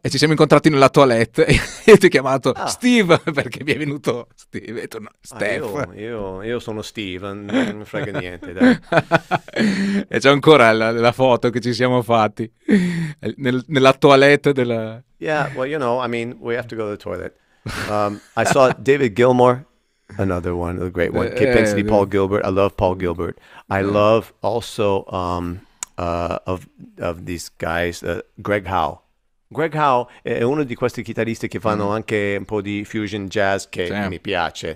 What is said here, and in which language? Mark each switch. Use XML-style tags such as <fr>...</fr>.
<it>E ci siamo incontrati nella toilette e ti ho chiamato Steve perché mi è venuto Steve. E tu, no, Steph. Io sono Steve, non mi frega niente. Dai. E c'è ancora la foto che ci siamo fatti nella toilette della...</it> <en>Yeah, well, you know, I mean, we have to go to the toilet. I saw David Gilmour, another one, the great one. Kid Pensity, Paul Gilbert. I love Paul Gilbert. I love also of these guys, Greg Howe.</en> <it>Greg Howe è uno di questi chitarristi che fanno anche un po' di fusion jazz che mi piace.</it>